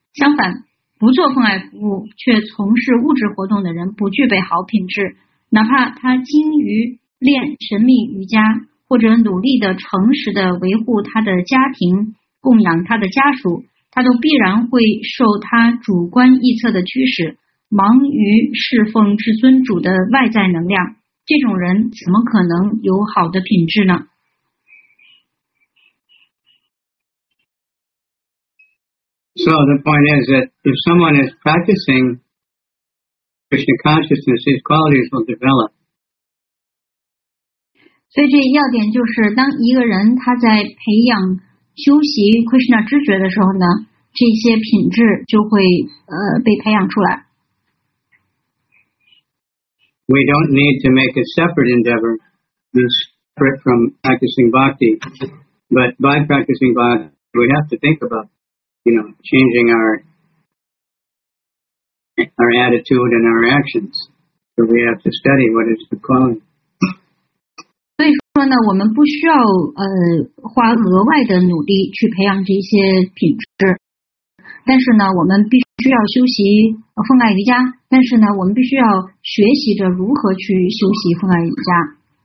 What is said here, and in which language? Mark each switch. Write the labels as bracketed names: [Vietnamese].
[Chinese] 相反，不做奉爱服务却从事物质活动的人不具备好品质，哪怕他精于练神秘瑜伽，或者努力的诚实的维护他的家庭，供养他的家属，他都必然会受他主观臆测的驱使，忙于侍奉至尊主的外在能量。这种人怎么可能有好的品质呢？ [English] So the point is that if someone is practicing Krishna consciousness, these qualities will develop. [Chinese] 所以这要点就是，当一个人他在培养修习 Krishna 知觉的时候呢，这些品质就会被培养出来。 [English] We don't need to make a separate endeavor, separate from practicing bhakti, but by practicing bhakti, we have to think about. Changing our attitude and our actions. So we have to study what is the calling. [Chinese] 所以说呢，我们不需要花额外的努力去培养这些品质。但是呢，我们必须要修习奉爱瑜伽。但是呢，我们必须要学习着如何去修习奉爱瑜伽。